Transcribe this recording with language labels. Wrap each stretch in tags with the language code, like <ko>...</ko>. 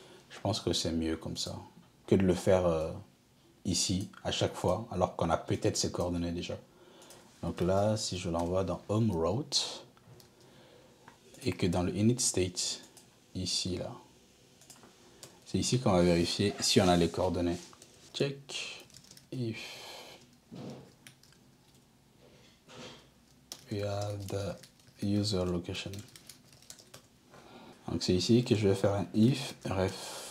<fr>Je pense que c'est mieux comme ça que de le faire ici à chaque fois, alors qu'on a peut-être ses coordonnées déjà. Donc là, si je l'envoie dans home route et que dans le init state, ici là, c'est ici qu'on va vérifier si on a les coordonnées.</fr> <en>Check. If we have the user location.</en> <fr>Donc c'est ici que je vais faire un if ref.read</fr>